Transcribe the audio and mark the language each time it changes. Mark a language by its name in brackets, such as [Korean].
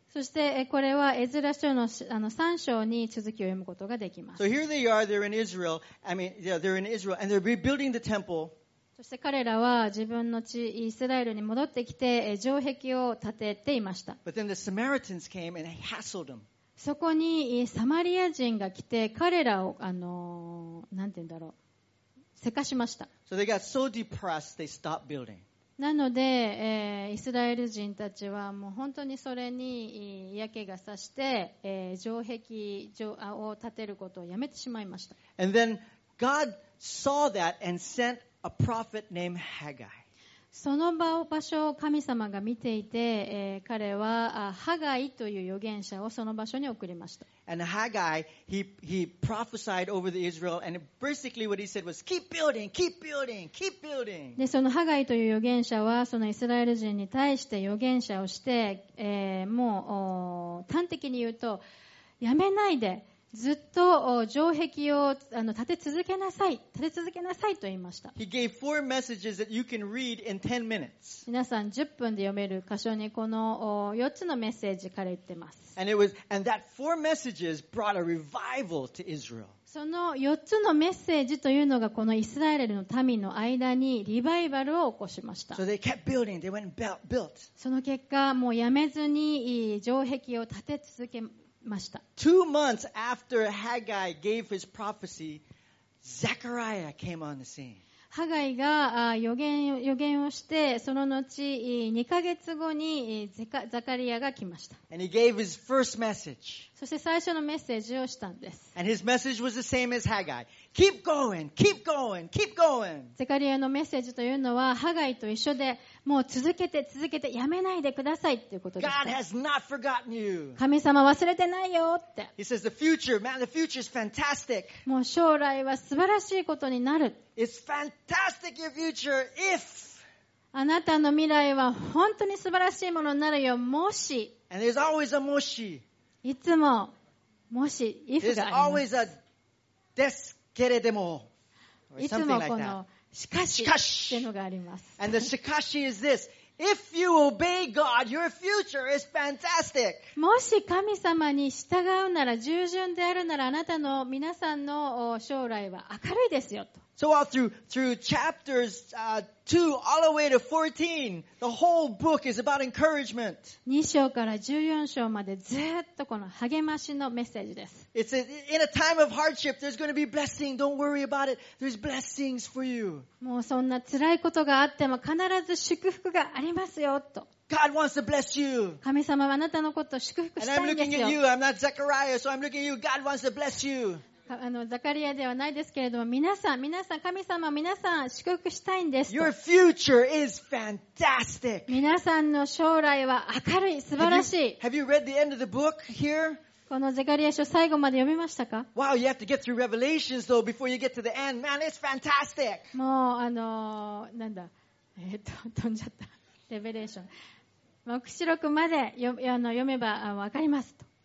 [Japanese] そしてこれはエズラ書の3章に続きを読むことができます。 [English] So here they are, they're in Israel. I mean, yeah, they're in Israel and they're rebuilding the temple. [Japanese] そして彼らは自分の地イスラエルに戻ってきて城壁を建てていました。 [English] But then the Samaritans came and hassled them. [Japanese] そこにサマリア人が来て彼らを何て言うんだろう、せかしました。 [English] So they got so depressed they stopped building. [Japanese] なので、イスラエル人たちはもう本当にそれに嫌気がさして、城壁を建てることをやめてしまいました。 [English] And then God saw that and sentA prophet named Haggai. [Japanese] その場所を神様が見ていて、彼はハガイという預言者をその場所に送りました。 [English] And Haggai, he prophesied over the Israel, and basically what he said was, keep building, keep building, keep building. [Japanese] で、そのハガイという預言者はそのイスラエル人に対して預言者をして、もう端的に言うと、やめないで。ずっと城壁を建て続けなさい、建て続けなさいと言いました。 [English] He gave four messages that you can read in 10 minutes. [Japanese] 皆さん10分で読める箇所にこの4つのメッセージから言ってます。 [English] And that four messages brought a revival to Israel. [Japanese] その4つのメッセージというのがこのイスラエルの民の間にリバイバルを起こしました。 [English] So they kept building, they went and built. [Japanese] その結果、もうやめずに城壁を建て続け、 [English] Two months after Haggai gave his prophecy, Zechariah came on the scene. [Japanese] ハガイが予言をして、その後2ヶ月後にザカリアが来ました。 [English] And he gave his first message. [Japanese] そして最初のメッセージをしたんです。 [English] And his message was the same as Haggai. Keep going, keep going, keep going. [Japanese] ザカリアのメッセージというのはハガイと一緒で、もう続けて続けてやめないでくださいっていうことです。 [English] God has not forgotten you. [Japanese] 神様忘れてないよって。 [English] He says the future, man, the future is fantastic. [Japanese] もう将来は素晴らしいことになる。 [English] It's fantastic your future if. [Japanese] あなたの未来は本当に素晴らしいものになるよ、もし。 [English] And there's always a [Japanese] もし。いつも、もし、 [English] if [Japanese] があります。 [English] There's always a [Japanese] ですけれども。いつもこの、しかし、っていうのがあります。 [English] And the [Japanese] しかし [English] is this. If you obey God, your future is fantastic. [Japanese] もし神様に従うなら、従順であるなら、あなたの皆さんの将来は明るいですよ、と。 [English] So all through chapters 2 all the way to 14, the whole book is about encouragement. [Japanese] 2章から14章までずっとこの励ましのメッセージです。 [English] It's in a time of hardship, there's going to be blessing. Don't worry about it. There's blessings for you. [Japanese] もうそんな辛いことがあっても必ず祝福がありますよと。 [English] God wants to bless you. [Japanese] 神様はあなたのことを祝福したいんですよ。 [English] And I'm looking at you. I'm not Zechariah, so I'm looking at you. God wants to bless you. [Japanese] ザカリアではないですけれども、皆さん、神様、皆さん、祝福したいんです。 [English] Your future is fantastic. [Japanese] 皆さんの将来は明るい、素晴らしい。 [English] Have you read the end of the book here? [Japanese] このザカリア書、最後まで読みましたか? [English] Wow, you have to get through Revelations though before you get to the end. Man, it's fantastic. [Japanese] もう、なんだ、飛んじゃった。レベレーション。黙示録まで読めば分かりますと。